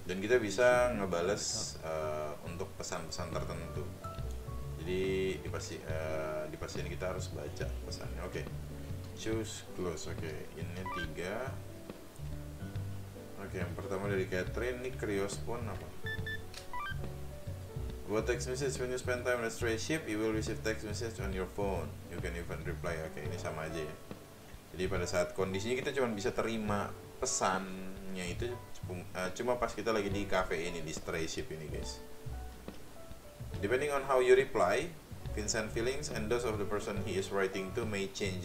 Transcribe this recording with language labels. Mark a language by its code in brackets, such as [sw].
[id] Dan kita bisa ngebales untuk pesan-pesan tertentu. Jadi dipastikan kita harus baca pesannya. Oke. [en] Choose close. [id] Oke, ini 3. Oke, yang pertama dari Catherine, ini Cryospawn apa? [en] What text message when you spend time on a stray ship, you will receive text message on your phone. You can even reply. Okay, [id] ini sama aja ya. Jadi pada saat kondisinya kita cuma bisa terima pesannya itu cuma pas kita lagi di cafe ini, di stray ship ini guys. [en] Depending on how you reply, Vincent feelings and those of the person he is writing to may change.